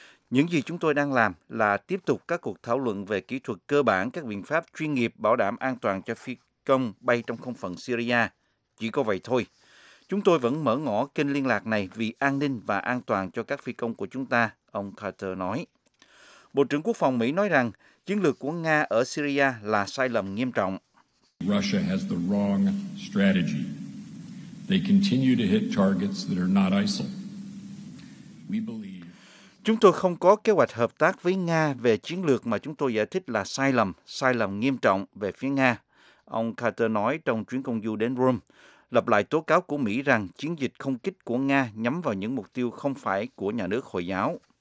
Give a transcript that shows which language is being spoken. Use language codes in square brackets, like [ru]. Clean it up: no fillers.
[vi] Những gì chúng tôi đang làm là tiếp tục các cuộc thảo luận về kỹ thuật cơ bản, các biện pháp chuyên nghiệp bảo đảm an toàn cho phi công bay trong không phận Syria. Chỉ có vậy thôi. Chúng tôi vẫn mở ngỏ kênh liên lạc này vì an ninh và an toàn cho các phi công của chúng ta, ông Carter nói. Bộ trưởng Quốc phòng Mỹ nói rằng chiến lược của Nga ở Syria là sai lầm nghiêm trọng. [en] Russia has the wrong strategy. They continue to hit targets that are not ISIL. We believe... [vi] Chúng tôi không có kế hoạch hợp tác với Nga về chiến lược mà chúng tôi giải thích là sai lầm nghiêm trọng về phía Nga, ông Carter nói trong chuyến công du đến Rome. Lặp lại tố cáo của Mỹ rằng chiến dịch không kích của Nga nhắm vào những mục tiêu không phải của nhà nước Hồi giáo.